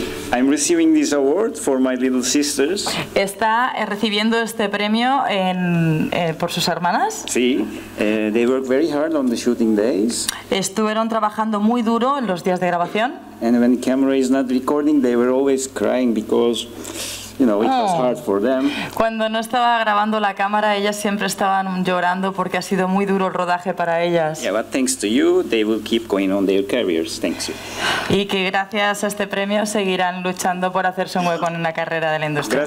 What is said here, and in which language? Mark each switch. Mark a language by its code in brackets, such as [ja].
[en] I'm receiving this award for my little sisters. [es] Está recibiendo este premio por sus hermanas. Sí. [en] They worked very hard on the shooting days. [es] Estuvieron trabajando muy duro en los días de grabación. [en] And when the camera is not recording, they were always crying because, you know, it was hard for them. [es] Cuando no estaba grabando la cámara, ellas siempre estaban llorando porque ha sido muy duro el rodaje para ellas. [en] Yeah, but thanks to you, they will keep going on their careers. Thanks you. [es] Y que gracias a este premio seguirán luchando por hacerse un hueco en la carrera de la industria.